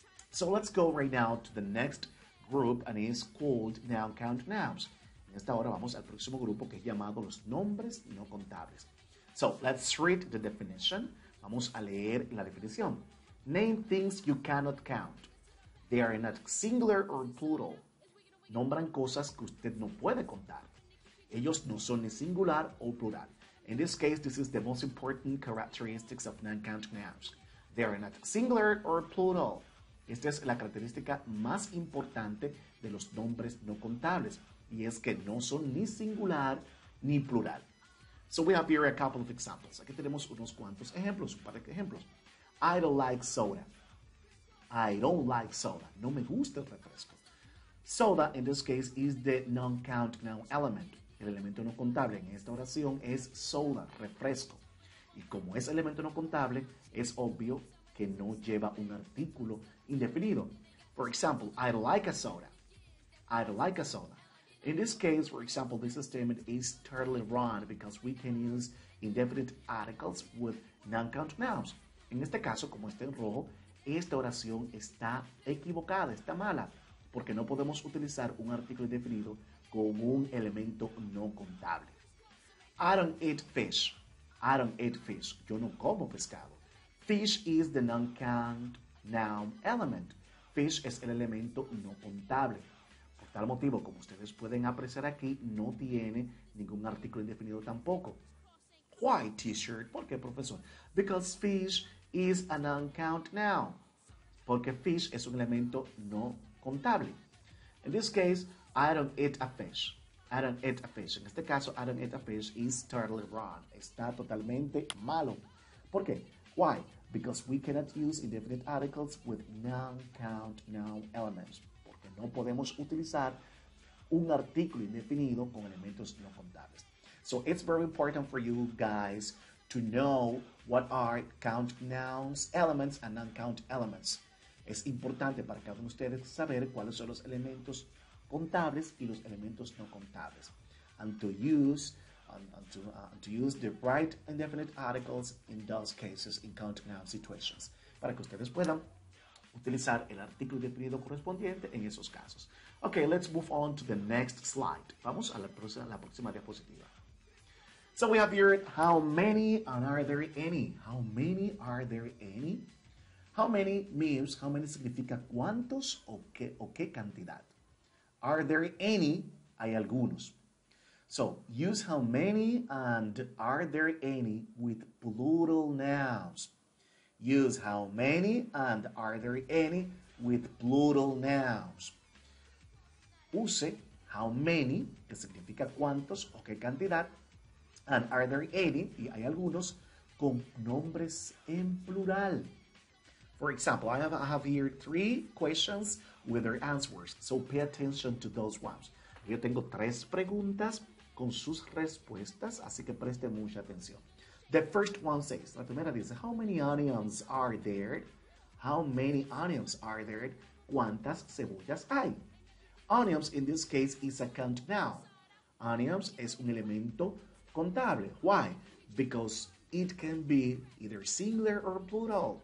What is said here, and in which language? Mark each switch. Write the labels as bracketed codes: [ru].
[en] So let's go right now to the next group, and it's called noun count nouns. [es] En esta hora vamos al próximo grupo, que es llamado los nombres no contables. [en] So let's read the definition. [es] Vamos a leer la definición. [en] Name things you cannot count. They are not singular or plural. [es] Nombran cosas que usted no puede contar. Ellos no son ni singular o plural. [en] In this case, this is the most important characteristics of non-count nouns. They are not singular or plural. [es] Esta es la característica más importante de los nombres no contables. Y es que no son ni singular ni plural. [en] So we have here a couple of examples. [es] Aquí tenemos unos cuantos ejemplos, un par de ejemplos. [en] I don't like soda. I don't like soda. [es] No me gusta el refresco. [en] Soda, in this case, is the non-count noun element. [es] El elemento no contable en esta oración es soda, refresco. Y como es elemento no contable, es obvio que no lleva un artículo indefinido. [en] For example, I don't like a soda. I don't like a soda. In this case, for example, this statement is totally wrong because we can use indefinite articles with non-count nouns. [es] En este caso, como está en rojo, esta oración está equivocada, está mala, porque no podemos utilizar un artículo indefinido con un elemento no contable. [en] I don't eat fish. I don't eat fish. [es] Yo no como pescado. [en] Fish is the non-count noun element. [es] Fish es el elemento no contable. Por tal motivo, como ustedes pueden apreciar aquí, no tiene ningún artículo indefinido tampoco. [en] Why, teacher? [es] ¿Por qué, profesor? [en] Because fish is a non-count noun. [es] Porque fish es un elemento no contable. [en] In this case, I don't eat a fish. I don't eat a fish. [es] En este caso, [en] I don't eat a fish is totally wrong. [es] Está totalmente malo. ¿Por qué? [en] Why? Because we cannot use indefinite articles with non-count noun elements. [es] Porque no podemos utilizar un artículo indefinido con elementos no contables. [en] So it's very important for you guys to know what are count nouns elements and non-count elements. [es] Es importante para cada uno de ustedes saber cuáles son los elementos contables y los elementos no contables. [en] And to use the right indefinite articles in those cases in count noun situations. [es] Para que ustedes puedan utilizar el artículo indefinido correspondiente en esos casos. [en] Okay, let's move on to the next slide. [es] Vamos a la próxima diapositiva. [en] So we have here, how many and are there any? How many are there any? How many means, how many [es] significa cuántos o qué cantidad? [en] Are there any? [es] Hay algunos. [en] So use how many and are there any with plural nouns. Use how many and are there any with plural nouns. Use how many, [es] que significa cuántos o qué cantidad. [en] And are there any, [es] y hay algunos, con nombres en plural. [en] For example, I have here three questions with their answers. So pay attention to those ones. [es] Yo tengo tres preguntas con sus respuestas, así que preste mucha atención. [en] The first one says, [es] la primera dice, [en] how many onions are there? How many onions are there? [es] ¿Cuántas cebollas hay? [en] Onions, in this case, is a count noun. Onions [es] es un elemento contable. [en] Why? Because it can be either singular or plural.